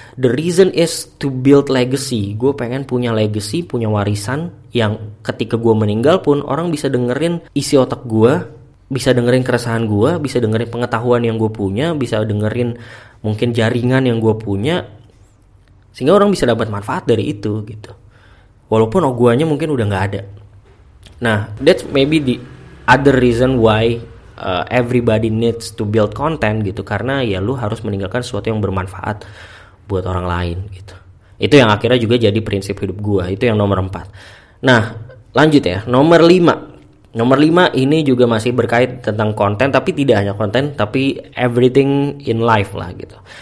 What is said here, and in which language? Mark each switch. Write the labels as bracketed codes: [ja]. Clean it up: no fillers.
[en] The reason is to build legacy. [id] Gue pengen punya legacy, punya warisan yang ketika gue meninggal pun orang bisa dengerin isi otak gue, bisa dengerin keresahan gue, bisa dengerin pengetahuan yang gue punya, bisa dengerin mungkin jaringan yang gue punya, sehingga orang bisa dapat manfaat dari itu gitu. Walaupun oguanya mungkin udah gak ada. [en] Nah, that's maybe the other reason why everybody needs to build content gitu. [id] Karena ya lu harus meninggalkan sesuatu yang bermanfaat buat orang lain gitu. Itu yang akhirnya juga jadi prinsip hidup gue. Itu yang nomor 4. Nah, lanjut ya. Nomor 5. Nomor 5 ini juga masih berkait tentang konten. Tapi tidak hanya konten, tapi [en] everything in life [id] lah gitu.